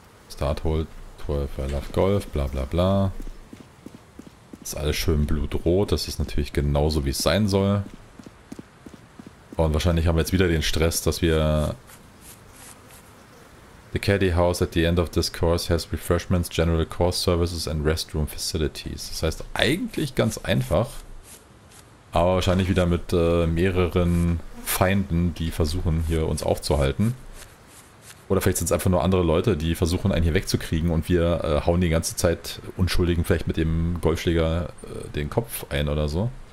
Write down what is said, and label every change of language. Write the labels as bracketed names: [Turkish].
[English] Start hold 12, I love golf, [German] bla bla bla. Ist alles schön blutrot, das ist natürlich genauso wie es sein soll. Und wahrscheinlich haben wir jetzt wieder den Stress, dass wir... [English] The Caddy House at the end of this course has refreshments, general course services and restroom facilities. [German] Das heißt eigentlich ganz einfach, aber wahrscheinlich wieder mit mehreren Feinden, die versuchen hier uns aufzuhalten. Oder vielleicht sind es einfach nur andere Leute, die versuchen einen hier wegzukriegen und wir hauen die ganze Zeit unschuldigen vielleicht mit dem Golfschläger den Kopf ein oder so.